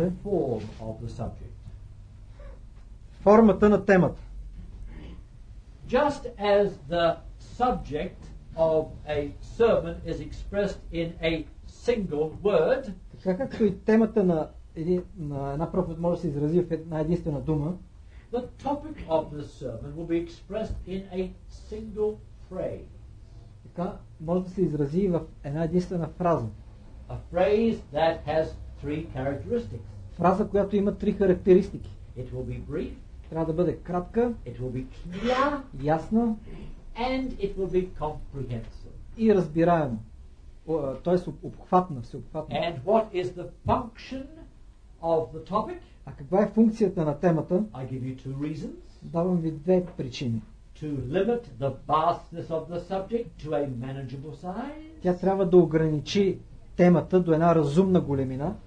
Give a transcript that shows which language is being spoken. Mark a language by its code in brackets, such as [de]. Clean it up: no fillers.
[en] What is the form of the subject? [bg] Формата на темата. [en] Just as the subject of a sermon is expressed in a single word. [bg] Така както и темата на една проповед може да се изрази в една единствена дума. [en] The topic of the sermon will be expressed in a single phrase. [bg] Така може да се изрази в една единствена фраза. [en] A phrase that has three characteristics. [bg] Фраза, която има три характеристики. [en] It will be brief. [bg] Трябва да бъде кратка. [en] It will be clear. [bg] Ясна. [en] And it will be comprehensive. [bg] И разбираемо. Т.е. обхватна, всеобхватна. [en] And what is the function of the topic? [bg] А каква е функцията на темата? [en] I give you two reasons. [bg] Давам ви две причини. [en] To limit the vastness of the subject to a manageable size. [bg] Тя трябва да ограничи темата до една разумна големина.